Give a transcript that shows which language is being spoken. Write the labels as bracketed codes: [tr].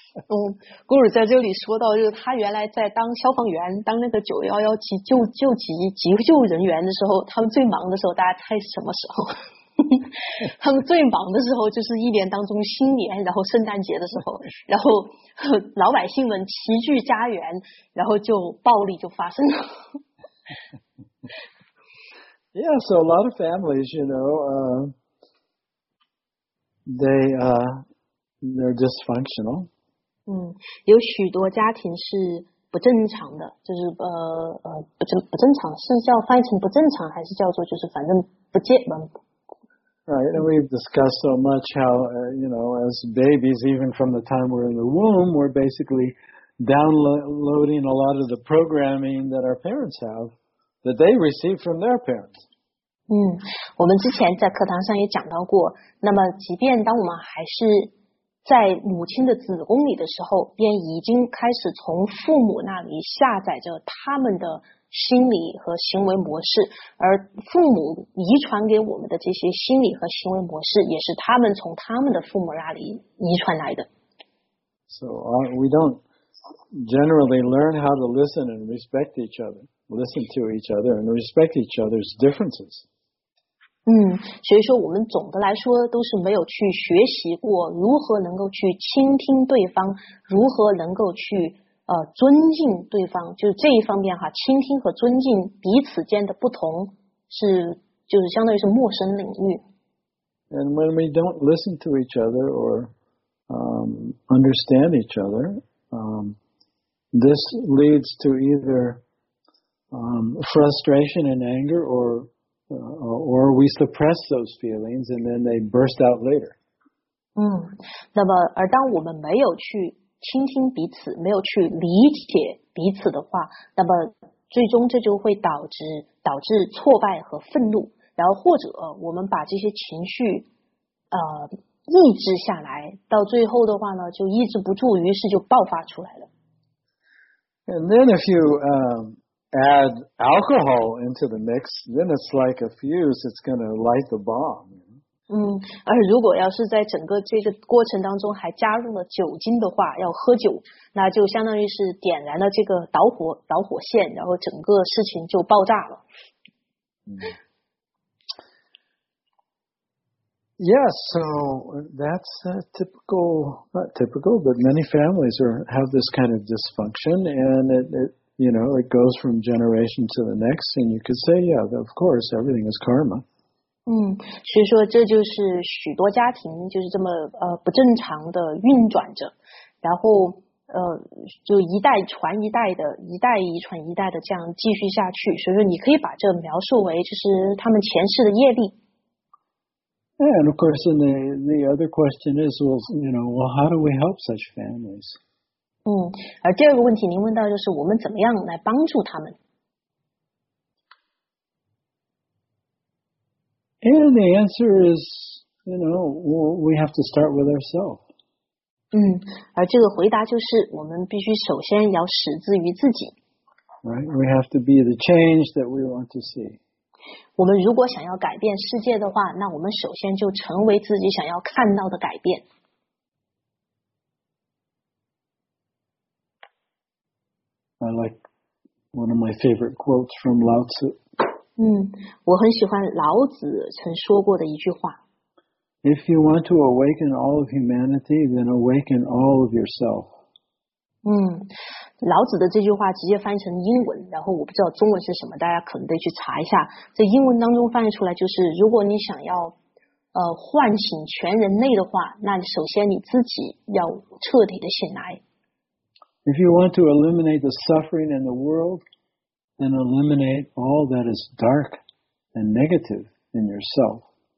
[zh] Oh, Guru 在这里说到，就是他原来在当消防员，当那个911急救人员的时候，他们最忙的时候，大家猜什么时候？他们最忙的时候就是一年当中新年，然后圣诞节的时候，然后老百姓们齐聚家园，然后就暴力就发生了。 [en] Yeah, so a lot of families, you know, they're dysfunctional. [zh] 有许多家庭是不正常的，就是不正常，是叫翻译成不正常，还是叫做就是反正不健。 [en] Right, and we've discussed so much how, you know, as babies, even from the time we're in the womb, we're basically downloading a lot of the programming that our parents have. That they receive from their parents. [zh] 我们之前在课堂上也讲到过，那么即便当我们还是在母亲的子宫里的时候，便已经开始从父母那里下载着他们的心理和行为模式，而父母遗传给我们的这些心理和行为模式，也是他们从他们的父母那里遗传来的。 [en] So, we don't generally learn how to listen and respect each other. Listen to each other and respect each other's differences. [zh] 所以说我们总的来说都是没有去学习过如何能够去倾听对方，如何能够去尊敬对方，就是这一方面哈，倾听和尊敬彼此间的不同是就是相当于是陌生领域。 [en] And when we don't listen to each other or understand each other, this leads to either. Frustration and anger, or we suppress those feelings and then they burst out later. [zh] 那么而当我们没有去倾听彼此，没有去理解彼此的话，那么最终这就会导致挫败和愤怒，然后或者我们把这些情绪抑制下来，到最后的话呢就抑制不住，于是就爆发出来了。 [en] And then if you add alcohol into the mix, then it's like a fuse, it's going to light the bomb. [zh] 而如果要是在整个这个过程当中还加入了酒精的话，要喝酒，那就相当于是点燃了这个导火线，然后整个事情就爆炸了。 [en] Yes, so that's not typical, but many families have this kind of dysfunction, and it goes from generation to the next, and you could say, yeah, of course, everything is karma. [zh] 所以说这就是许多家庭就是这么不正常的运转着，然后就一代传一代的，一代遗传一代的这样继续下去，所以说你可以把这描述为就是他们前世的业力。 [en] And of course, and the other question is, well, how do we help such families? [zh] 而第二个问题您问到就是我们怎么样来帮助他们。 [en] And the answer is, we have to start with ourselves. [zh] 而这个回答就是我们必须首先要始自于自己。 [en] Right, we have to be the change that we want to see. [zh] 我们如果想要改变世界的话，那我们首先就成为自己想要看到的改变。 [en] I like one of my favorite quotes from Lao Tzu. [zh] 我很喜欢老子曾说过的一句话。 [en] If you want to awaken all of humanity, then awaken all of yourself. [zh] 老子的这句话直接翻译成英文，然后我不知道中文是什么，大家可能得去查一下。在英文当中翻译出来就是，如果你想要唤醒全人类的话，那首先你自己要彻底的醒来。 [en] If you want to eliminate the suffering in the world, then eliminate all that is dark and negative in yourself.